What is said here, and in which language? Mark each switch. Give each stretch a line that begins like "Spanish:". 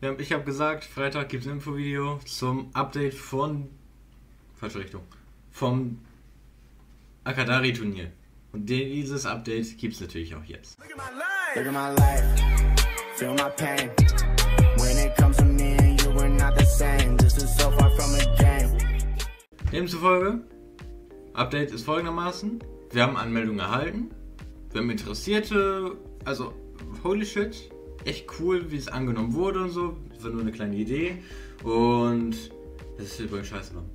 German: Ich habe gesagt, Freitag gibt es ein Infovideo zum Update von. Falsche Richtung. Vom Akadari-Turnier. Und dieses Update gibt es natürlich auch jetzt.
English: Look at my life, feel my pain. When it comes to me and you, we're not the same. This is so far from a game.
German: Demzufolge, Update ist folgendermaßen: Wir haben Anmeldungen erhalten. Wir haben Interessierte, also.
English: Holy shit,
German: echt cool, wie es angenommen wurde und so. Das war nur eine kleine Idee. Und das ist übrigens scheiße.